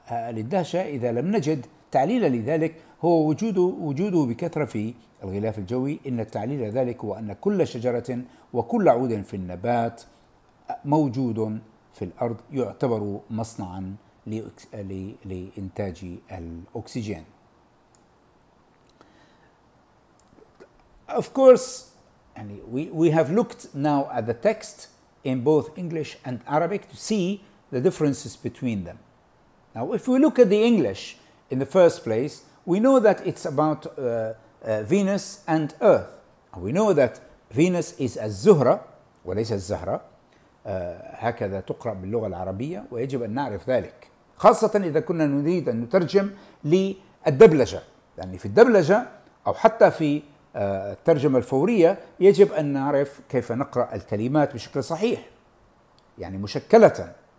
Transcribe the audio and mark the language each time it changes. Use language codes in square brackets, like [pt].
[ar] للدهشة إذا لم نجد تعليلا لذلك هو وجوده بكثرة في الغلاف الجوي إن التعليل ذلك هو أن كل شجرة وكل عود في النبات موجود في الأرض يعتبر مصنعا لإنتاج الأكسجين. [en] Of course, we have looked now at the text in both English and Arabic to see the differences between them. Now, if we look at the English in the first place, we know that it's about Venus and Earth. We know that Venus is [ar] الزهرة وليس الزهرة هكذا تقرأ باللغة العربية ويجب أن نعرف ذلك خاصة إذا كنا نريد أن نترجم للدبلجة يعني في الدبلجة أو حتى في الترجمة الفورية يجب أن نعرف كيف نقرأ الكلمات بشكل صحيح يعني مشكلة